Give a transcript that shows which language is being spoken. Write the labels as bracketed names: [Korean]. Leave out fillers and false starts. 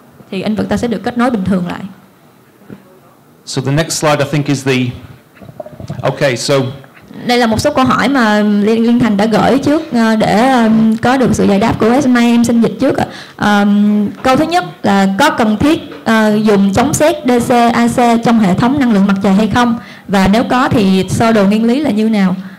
[Vietnamese] Thì inverter sẽ được kết nối bình thường lại. [English] So the next slide I think is the okay, so [Vietnamese] đây là một số câu hỏi mà Liên Thành đã gửi trước để có được sự giải đáp của SMA. Em xin dịch trước ạ. Câu thứ nhất là có cần thiết dùng chống sét DC AC trong hệ thống năng lượng mặt trời hay không, và nếu có thì sơ đồ nguyên lý là như nào?